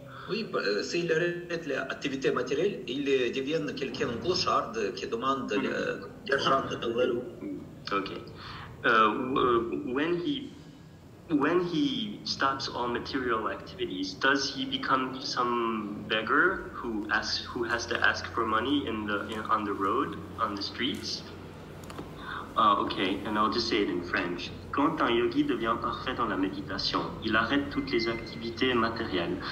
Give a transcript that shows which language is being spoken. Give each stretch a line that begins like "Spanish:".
French: Oui, s'il arrête l'activité matérielle, il devient quelqu'un clochard qui demande l'argent de la rue.
English: Okay. When he stops all material activities, does he become some beggar who has to ask for money on the road, on the streets? Okay, and I'll just say it in French.
French: Quand un yogi devient parfait dans la méditation, il arrête toutes les activités matérielles.